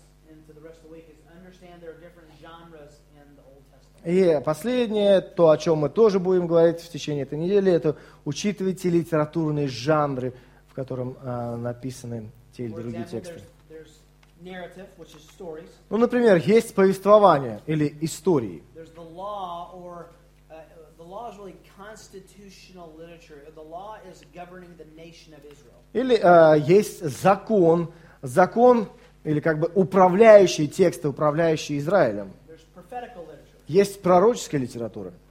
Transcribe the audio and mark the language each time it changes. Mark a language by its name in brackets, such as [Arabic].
[English] into the rest of the week is understand there are different genres in the Old Testament. [Russian] И последнее, то, о чем мы тоже будем говорить в течение этой недели, это учитывайте литературные жанры, в котором написаны те или другие тексты. [English] Narrative, which is stories. [Russian] Ну, например, есть повествование или истории. [English] There's the law, or the law is really constitutional literature. The law is governing the nation of Israel. [Russian] Или есть закон, закон или как бы управляющие тексты, управляющие Израилем. [English] There's prophetical literature. [Russian] Есть пророческая литература.